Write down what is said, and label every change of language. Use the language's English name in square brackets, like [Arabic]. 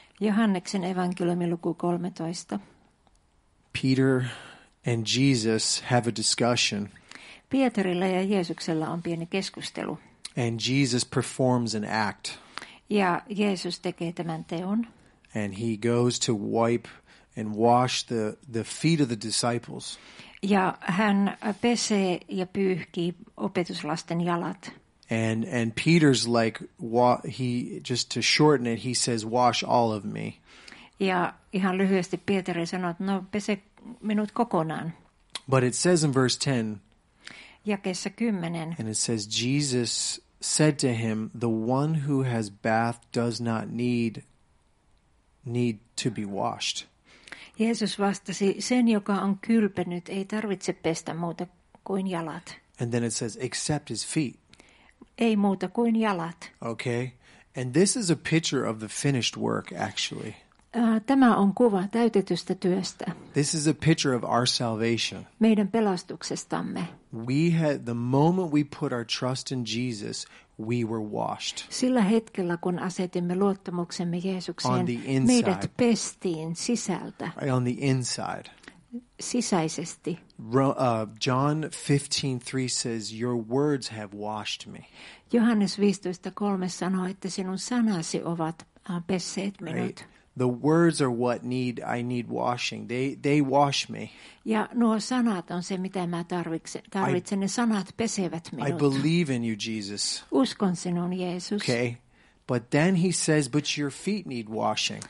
[Finnish] Johanneksen evankeliumi luku 13. [English] Peter and Jesus have a discussion. [Finnish] Pietarilla ja Jeesuksella on pieni keskustelu. [English] And Jesus performs an act. [Finnish] Ja Jeesus tekee tämän teon. [English] And he goes to wipe and wash the feet of the disciples. [Finnish] Ja hän pesee ja pyyhkii opetuslasten jalat. [English] And Peter's like, he just to shorten it, he says, wash all of me. [Finnish] Ja ihan lyhyesti Pietari sanoo, no pese minut kokonaan. [English] But it says in verse 10. [Finnish] Jakeessa 10. [English] And it says, Jesus said to him, the one who has bathed does not need to be washed. [Finnish] Jeesus vastasi, sen joka on kylpenyt ei tarvitse pestä muuta kuin jalat. [English] And then it says, except his feet. [Finnish] Ei muuta kuin jalat. [English] Okay. And this is a picture of the finished work, actually. [Finnish] Tämä on kuva täytetystä työstä. [English] This is a picture of our salvation. [Finnish] Meidän pelastuksestamme. [English] We had the moment we put our trust in Jesus, we were washed. [Finnish] Sillä hetkellä kun asetimme luottamuksemme Jeesukseen, meidät pestiin sisältä. [English] On the inside. [Finnish] Sisäisesti. [English] John 15:3 says, your words have washed me. [Finnish] Johannes 15:3 sanoo, että sinun sanasi ovat pesseet minut. [English] Right. The words are what I need washing. They wash me. [Finnish] Ja nuo sanat on se, mitä mä tarvitsen. Ne sanat pesevät minut. [English] I believe in you, Jesus. [Finnish] Uskon sinun, Jeesus. [English] Okay. But then he says, but your feet need washing.